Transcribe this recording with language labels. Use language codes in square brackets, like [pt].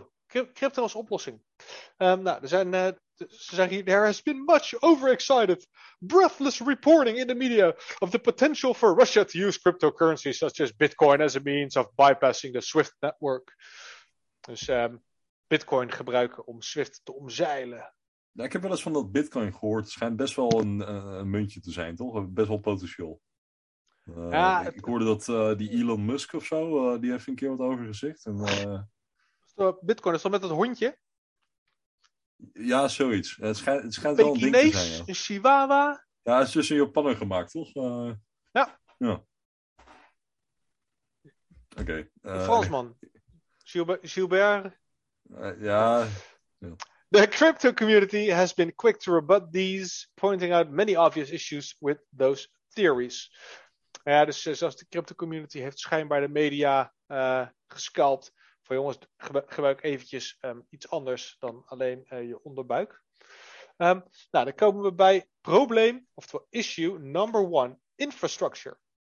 [nl] Crypto als oplossing. Er zijn Ze zeggen hier, [en] there has been much overexcited, breathless reporting in the media of the potential for Russia to use cryptocurrencies such as Bitcoin as a means of bypassing the Swift network. [nl] Dus Bitcoin gebruiken om Swift te omzeilen. Ja, ik heb wel eens van dat Bitcoin gehoord. Het schijnt best wel een muntje te zijn, toch? Best wel potentieel. Ja, ik hoorde dat die Elon Musk of zo, die heeft een keer wat over gezegd. Bitcoin is dan met dat hondje? Ja, zoiets. Het schijnt wel een ding te zijn. Ja. Een Chihuahua? Ja, het is dus in Japan gemaakt, toch? Ja. Ja. Oké. Fransman. Gilbert. Ja. [en] The crypto community has been quick to rebut these, pointing out many obvious issues with those theories. [nl] Ja, dus zelfs de crypto community heeft schijnbaar de media gescalpt. Van jongens, gebruik eventjes iets anders dan alleen je onderbuik. Nou, dan komen we bij probleem, oftewel [en] issue number one, infrastructure.